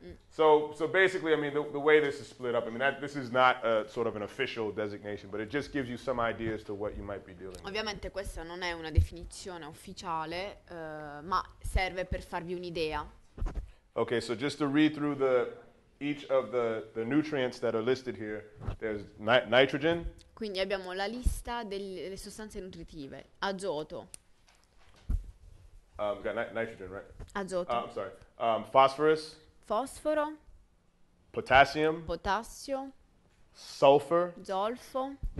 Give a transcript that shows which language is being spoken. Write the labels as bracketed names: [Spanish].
[English] So basically, I mean, the way this is split up, I mean, this is not a sort of an official designation, but it just gives you some ideas to what you might be dealing with. [Italian] Ovviamente questa non è una definizione ufficiale, ma serve per farvi un'idea. [English] Okay, so just to read through each of the nutrients that are listed here, there's nitrogen. [Italian] Quindi abbiamo la lista delle sostanze nutritive. Azoto. [English] Got nitrogen, right? [Italian] Azoto. [English] I'm sorry. Phosphorus. [Italian] Fosforo. [English] Potassium. [Italian] Potassio. [English] Sulfur. [Italian] Zolfo.